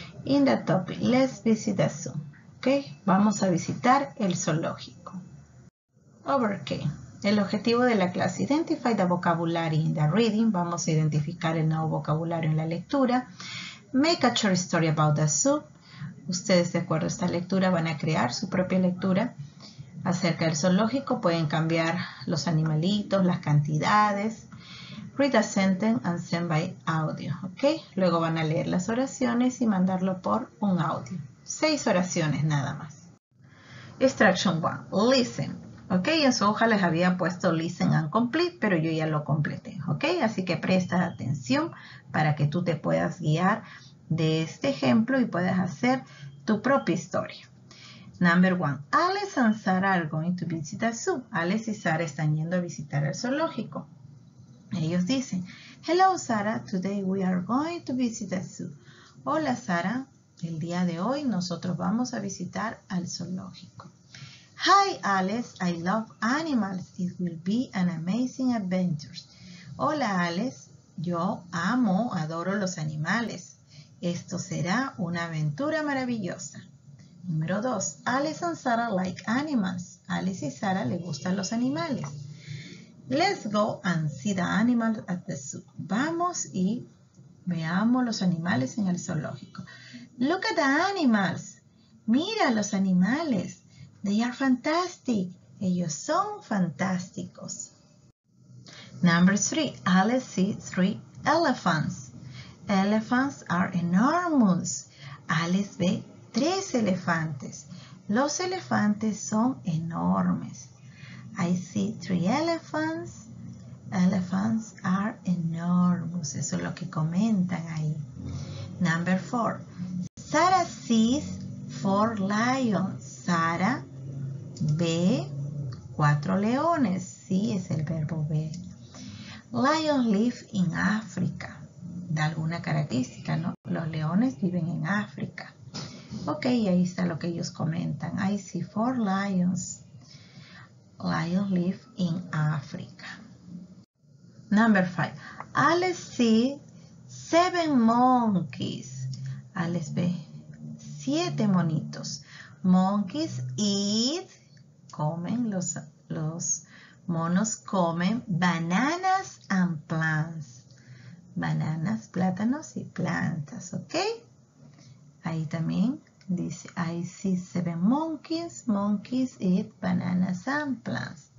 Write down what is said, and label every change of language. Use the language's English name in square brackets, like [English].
[English] In the topic, let's visit the zoo. [Spanish] Okay, vamos a visitar el zoológico. Overkill. El objetivo de la clase, [English] identify the vocabulary in the reading. [Spanish] Vamos a identificar el nuevo vocabulario en la lectura. [English] Make a short story about the zoo. [Spanish] Ustedes, de acuerdo a esta lectura, van a crear su propia lectura acerca del zoológico. Pueden cambiar los animalitos, las cantidades. [English] Read a sentence and send by audio. ¿Okay? [Spanish] Luego van a leer las oraciones y mandarlo por un audio. 6 oraciones nada más. [English] Instruction 1. Listen. [Spanish] Ok, en su hoja les había puesto [English] listen and complete, [Spanish] pero yo ya lo completé. Ok, así que presta atención para que tú te puedas guiar de este ejemplo y puedas hacer tu propia historia. [English] Number 1. Alice and Sarah are going to visit the zoo. [Spanish] Alice y Sarah están yendo a visitar el zoológico. Ellos dicen, [English] hello Sarah, today we are going to visit the zoo. [Spanish] Hola Sarah, el día de hoy nosotros vamos a visitar al zoológico. [English] Hi Alice, I love animals. It will be an amazing adventure. [Spanish] Hola Alice, yo amo, adoro los animales. Esto será una aventura maravillosa. Número 2. [English] Alice and Sarah like animals. [Spanish] Alice y Sarah le gustan los animales. [English] Let's go and see the animals at the zoo. [Spanish] Vamos y veamos los animales en el zoológico. [English] Look at the animals. [Spanish] Mira los animales. [English] They are fantastic. [Spanish] Ellos son fantásticos. [English] Number 3. Alice sees 3 elephants. Elephants are enormous. [Spanish] Alice ve 3 elefantes. Los elefantes son enormes. [English] I see 3 elephants. Elephants are enormous. [Spanish] Eso es lo que comentan ahí. [English] Number 4. Sarah sees 4 lions. [Spanish] Sarah ve 4 leones. Sí, es el verbo ver. [English] Lions live in Africa. [Spanish] Da alguna característica, ¿no? Los leones viven en África. Ok, ahí está lo que ellos comentan. [English] I see 4 lions. Lions live in Africa. Number 5. Alice see 7 monkeys. [Spanish] Alice ve 7 monitos. [English] Monkeys eat. [Spanish] Comen, los monos comen [English] bananas and plants. [Spanish] Bananas, plátanos y plantas, ¿ok? Ahí también dice, [English] I see 7 monkeys. Monkeys eat bananas and plants.